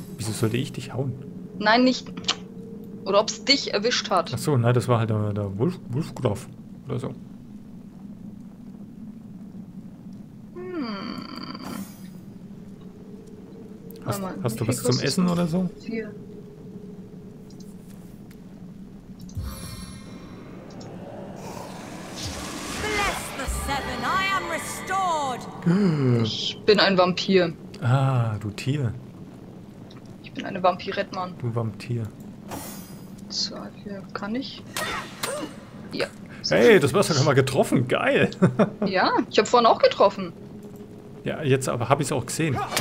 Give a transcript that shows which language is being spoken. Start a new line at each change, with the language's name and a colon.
German: Wieso sollte ich dich hauen? Nein, nicht. Oder ob's dich erwischt hat. Ach so, nein, das war halt der Wolfgraf. Oder so. Hast du was zum Essen oder so?
English: Bless the seven, I am restored.
German: Ich bin ein Vampir. Ah, du Tier. Ich bin eine Vampirette, Mann. Du Vampir. So, hier kann ich. Ja. Hey, das war sogar mal getroffen. Geil. Ja, ich habe vorhin auch getroffen. Ja, jetzt aber habe ich es auch gesehen.